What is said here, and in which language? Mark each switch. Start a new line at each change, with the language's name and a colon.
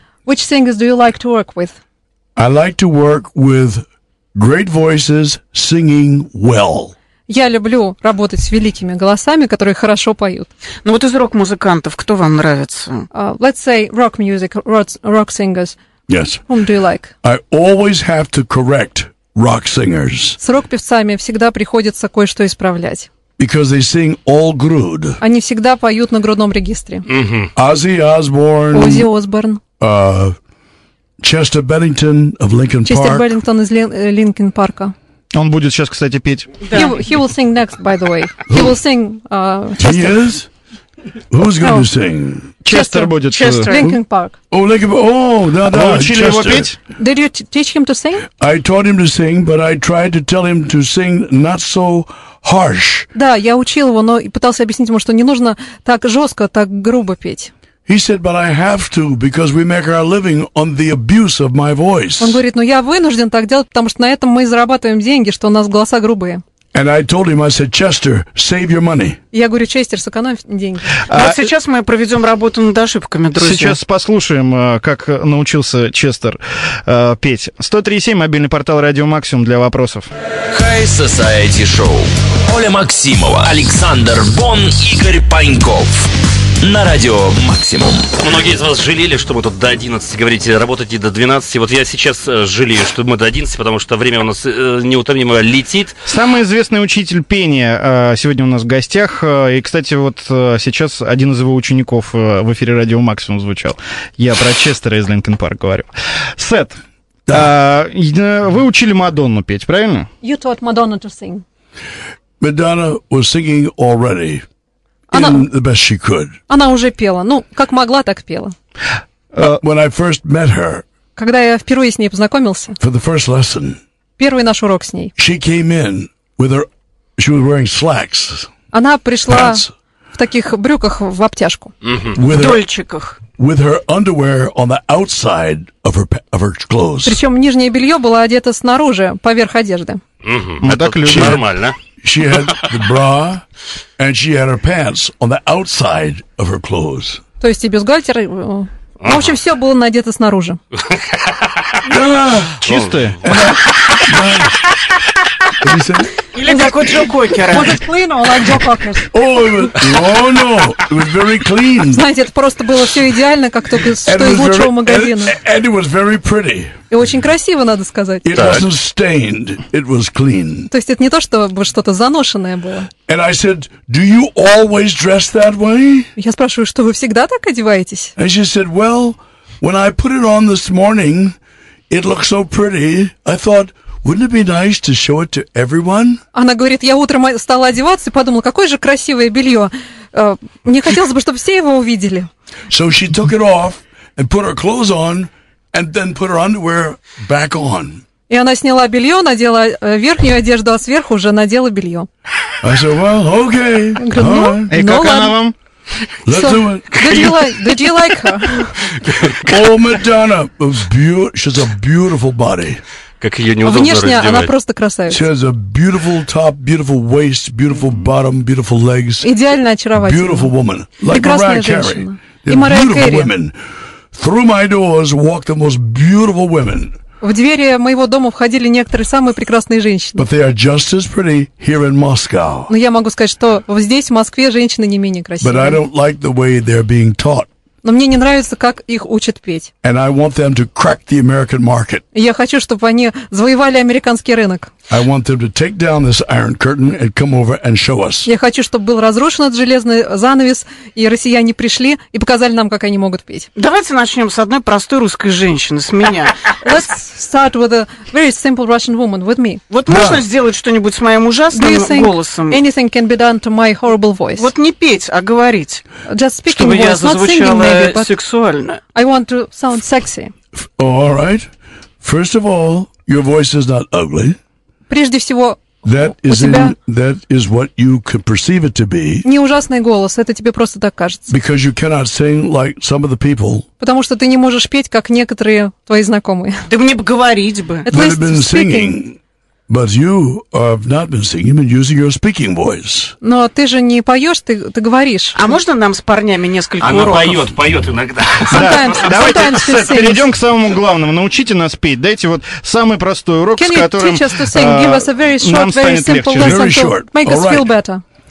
English: Which singers do you like to work with? I like to work with great voices singing well.
Russian: Я люблю работать с великими голосами, которые хорошо поют. Ну вот из рок-музыкантов кто вам нравится?
English: Let's say rock music, rock singers. Yes. Whom do you like? I always have to correct rock singers.
Russian: С рок-певцами всегда приходится кое-что исправлять.
English: Because they sing all grud.
Russian: Они всегда поют на грудном регистре.
English: Ozzy Osbourne. Ozzy Osbourne. Chester Bennington of Linkin Park.
Russian: Chester Bennington из Линкин Парка. Он будет сейчас, кстати, петь. Да.
English: He will sing next, by the way. Who? He will sing. He is. Who's going to sing?
Russian: Chester будет.
English: Chester. Linkin Park. Oh, Linkin Park. Oh,
Russian: да, да. Вы учили его петь?
English: Did you teach him to sing? I taught him to sing, but I tried to tell him to sing not so harsh.
Russian: Да, я учил его, но пытался объяснить ему, что не нужно так жестко, так грубо петь.
English: He said, but I have to, because we make our living on the abuse of my voice.
Russian: Он говорит, ну я вынужден так делать, потому что на этом мы зарабатываем деньги, что у нас голоса грубые.
English: And I told him, I said, Chester, save your money.
Russian: Я говорю, Честер, сэкономь деньги. Вот сейчас мы проведем работу над ошибками, друзья. Сейчас послушаем, как научился Честер петь. 103.7, мобильный портал Радио Максимум для вопросов. High Society Show. Оля Максимова, Александр Бон, Игорь Паньков. На радио Максимум. Многие из вас жалели, что мы тут до 11, говорите, работаете до 12. Вот я сейчас жалею, что мы до 11, потому что время у нас неутомимо летит. Самый известный учитель пения сегодня у нас в гостях. И, кстати, вот сейчас один из его учеников в эфире радио Максимум звучал. Я про Честера из Линкин Парк говорю. Сет, да. Вы учили Мадонну петь, правильно?
English: You taught Madonna to sing. Madonna was singing already.
Russian: Она,
English: in the best she could.
Russian: Она уже пела. Ну, как могла, так пела.
English: When I first met her,
Russian: когда я впервые с ней познакомился,
English: for the first lesson,
Russian: первый наш урок с ней,
English: she came in with her, she was wearing slacks,
Russian: она пришла
English: pants,
Russian: в таких брюках в обтяжку. Mm-hmm. В дольчиках.
English: with her underwear on the outside of her clothes.
Russian: Причем нижнее белье было одето снаружи, поверх одежды. Ну так люди нормально.
English: She had the bra and she had her pants on the outside of her clothes.
Russian: То есть и бюстгальтер. В общем, все было надето снаружи. Чистое. Или как у Джо Кокера.
English: Was it clean or like Joe Cocker? No, it was very clean.
Russian: Знаете, это просто было все идеально, как только что из лучшего магазина.
English: And it was very pretty.
Russian: И очень красиво, надо сказать.
English: It wasn't stained, it was clean.
Russian: То есть это не то, чтобы что-то заношенное было.
English: And I said, do you always dress that way?
Russian: Я спрашиваю, что вы всегда так одеваетесь?
English: And she said, well, when I put it on this morning, it looked so pretty, I thought, wouldn't it be nice to show it to everyone?
Russian: Она говорит, я утром стала одеваться и подумала, какое же красивое белье. Мне хотелось бы, чтобы все его увидели.
English: So she took it off and put her clothes on and then put her underwear back on.
Russian: И она сняла белье, надела верхнюю одежду, а сверху уже надела белье.
English: I said, well, okay.
Russian: Как она вам?
English: Let's so, do it. Did you like her? Oh, Madonna. She's a beautiful body.
Russian: Как ее неудобно раздевать. Внешне она просто красавица.
English: She has a beautiful top, beautiful waist, beautiful bottom, beautiful legs.
Russian: Идеально очаровательная.
English: Beautiful woman. Like
Russian: Мариан Керри. И Мариан Керри.
English: Through my doors walk the most beautiful women.
Russian: В двери моего дома входили некоторые самые прекрасные женщины.
English: But they are just as pretty here in Moscow.
Russian: Но я могу сказать, что здесь, в Москве, женщины не менее красивые.
English: But I don't like the way they're being taught.
Russian: Но мне не нравится, как их учат петь.
English: And I want them to crack the American market.
Russian: Я хочу, чтобы они завоевали американский рынок.
English: I want them to take down this iron curtain and come over and show us.
Russian: Я хочу, чтобы был разрушен этот железный занавес, и россияне пришли и показали нам, как они могут петь. Давайте начнем с одной простой русской женщины, с меня.
English: Let's start with a very simple Russian woman, with me.
Russian: Вот можно сделать что-нибудь с моим ужасным голосом?
English: Anything can be done to my horrible voice.
Russian: Вот не петь, а говорить.
English: Just speaking voice, not singing.
Russian: Чтобы я зазвучала сексуально.
English: I want to sound sexy. All right. First of all, your voice is not ugly.
Russian: Прежде всего, не ужасный голос, это тебе просто так кажется.
English: Because you cannot sing like some of the people.
Russian: Потому что ты не можешь петь, как некоторые твои знакомые. Да мне бы говорить бы.
English: They have been singing, but you have not been singing and using your speaking voice.
Russian: Но ты же не поешь, ты говоришь. А можно нам с парнями несколько уроков? Она поет иногда. Давайте перейдем к самому главному. Научите нас петь. Дайте вот самый простой урок, с которым нам станет легче.
English: Make us feel better.